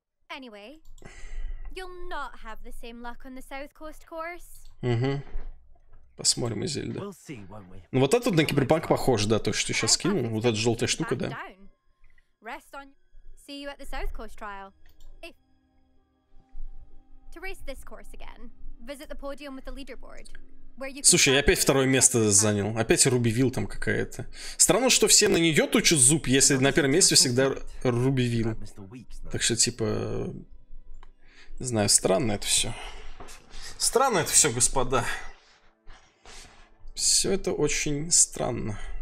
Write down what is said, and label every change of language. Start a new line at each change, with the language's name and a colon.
English: Anyway, you'll not have the same luck on the South Coast course.
Russian: Угу. Посмотрим,
English: Изельда. We'll see, won't we?
Russian: Ну вот этот на киберпанк похож, да, то, что сейчас скинул. Вот эта желтая штука, да.
English: Rest on. See you at the South Coast trial. If... To race this course again, visit the podium with the leaderboard.
Russian: Слушай, я опять второе место занял. Опять Руби Вилл там какая-то. Странно, что все на нее тучат зуб, если на первом месте всегда Руби Вилл. Так что, типа... Не знаю, странно это все. Странно это все, господа. Все это очень странно.